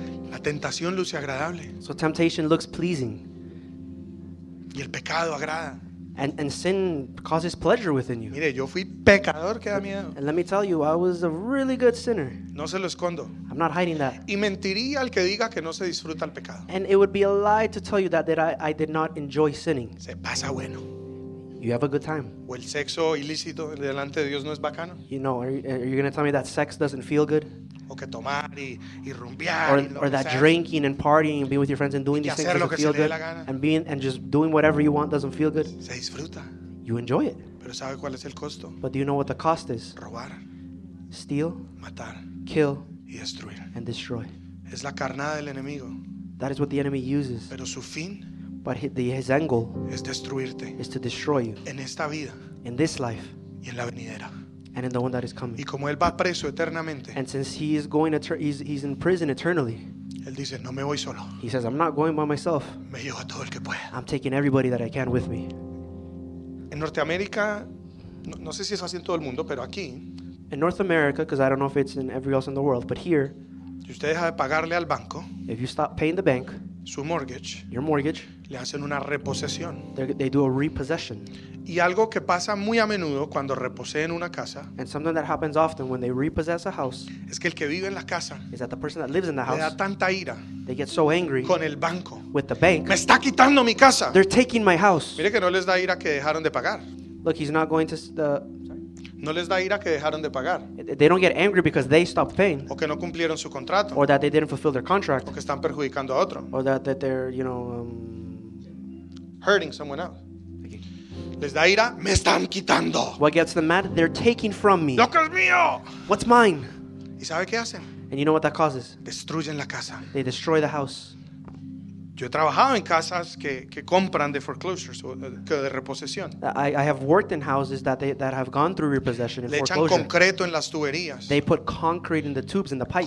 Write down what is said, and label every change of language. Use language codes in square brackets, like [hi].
[es] La tentación luce agradable. [en] So temptation looks pleasing. [es] Y el pecado agrada. [en] And sin causes pleasure within you. [es] Mire, yo fui pecador, que da miedo. [en] And let me tell you, I was a really good sinner. [es] No se lo escondo. [en] I'm not hiding that. [es] Y mentiría al que diga que no se disfruta el pecado. [en] And it would be a lie to tell you that I did not enjoy sinning. [es] Se pasa bueno. [en] You have a good time. [es] O el sexo ilícito delante de Dios no es bacano. [en] You know, are you going to tell me that sex doesn't feel good? [es] O que tomar y rumbear [en] or that [es] sea. [en] Drinking and partying and being with your friends and doing these things doesn't feel good. And just doing whatever you want doesn't feel good. [es] Se disfruta. [en] You enjoy it. [es] Pero sabe cuál es el costo. [en] But do you know what the cost is? [es] Robar. [en] Steal. [es] Matar. [en] Kill. [es] Y destruir. [en] And destroy. [es] Es la carnada del enemigo. [en] That is what the enemy uses. [es] Pero su fin. [en] But his angle [es] es destruirte. [en] Is to destroy you. [es] En esta vida. [en] In this life. [es] Y en la venidera. [en] And in the one that is coming. [es] Y como él va preso eternamente, [en] and since he is going, he's in prison eternally. [es] Él dice, no me voy solo. [en] He says, I'm not going by myself. [es] Me llevo a todo el que pueda. [en] I'm taking everybody that I can with me. [es] En Norteamérica, no sé si es así en todo el mundo, pero aquí. [en] In North America, because I don't know if it's in every else in the world, but here. [es] Si usted deja de pagarle al banco, [en] if you stop paying the bank. [es] Su mortgage. [en] Your mortgage. [es] Le hacen una reposesión. [en] They do a repossession. [es] Y algo que pasa muy a menudo cuando reposeen una casa. [en] And something that happens often when they repossess a house. [es] Es que el que vive en la casa. [en] Is that the person that lives in the house. [es] Le da tanta ira. [en] They get so angry. [es] Con el banco. [en] With the bank. [es] Me está quitando mi casa. [en] They're taking my house. [es] Mire que no les da ira que dejaron de pagar. [en] Look, he's not going to the. [es] No les da ira que dejaron de pagar. [en] They don't get angry because they stopped paying. [es] O que no cumplieron su contrato. [en] Or that they didn't fulfill their contract. [es] O que están perjudicando a otro. [en] Or that they're, you know, hurting someone else. [es] Les da ira, me están quitando. [en] What gets them mad? They're taking from me. [es] Lo que es mío. [en] What's mine? [es] ¿Y sabe qué hacen? [en] And you know what that causes? [es] Destruyen la casa. [en] They destroy the house. [es] Yo he trabajado en casas que compran de foreclosures, que de reposición. [en] I have worked in houses that have gone through repossession and foreclosure. [es] Le echan concreto en las tuberías. [en] They put concrete in the tubes and the pipes.